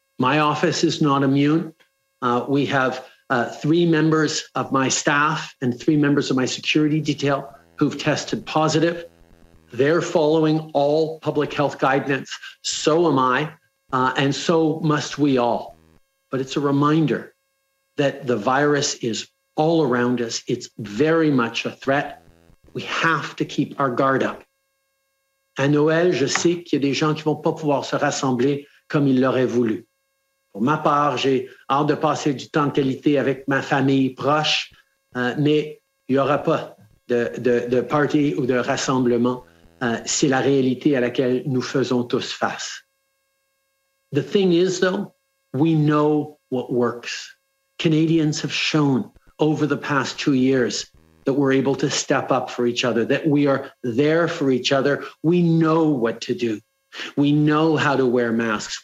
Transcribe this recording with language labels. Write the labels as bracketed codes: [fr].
[en] My office is not immune. We have three members of my staff and three members of my security detail who've tested positive. They're following all public health guidance. So am I, and so must we all. But it's a reminder that the virus is all around us. It's very much a threat. We have to keep our guard up. [fr] À Noël, je sais qu'il y a des gens qui vont pas pouvoir se rassembler comme ils l'auraient voulu. Pour ma part, j'ai hâte de passer du temps de qualité avec ma famille proche, mais il y aura pas de party ou de rassemblement. C'est la réalité à laquelle nous faisons tous face. [en] The thing is, though, we know what works. Canadians have shown over the past 2 years that we're able to step up for each other, that we are there for each other. We know what to do. We know how to wear masks.